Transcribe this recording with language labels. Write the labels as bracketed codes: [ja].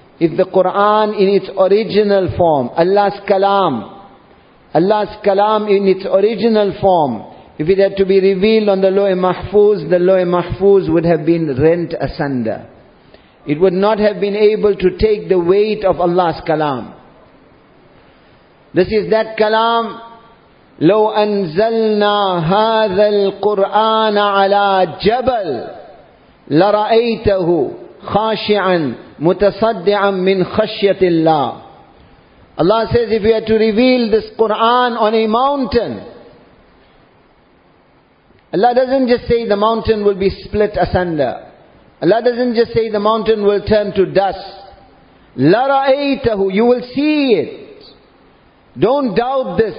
[en] If the Qur'an in its original form, Allah's Kalam in its original form, if it had to be revealed on the Lawh-e Mahfuz, the Lawh-e Mahfuz would have been rent asunder. It would not have been able to take the weight of Allah's Kalam. This is that Kalam. [ar] لو أنزلنا هذا القرآن على جبل لرأيته خاشعا متصدعا من خشية الله. [en] Allah says, if you had to reveal this Qur'an on a mountain, Allah doesn't just say the mountain will be split asunder. Allah doesn't just say the mountain will turn to dust. لَرَأَيْتَهُ You will see it. Don't doubt this.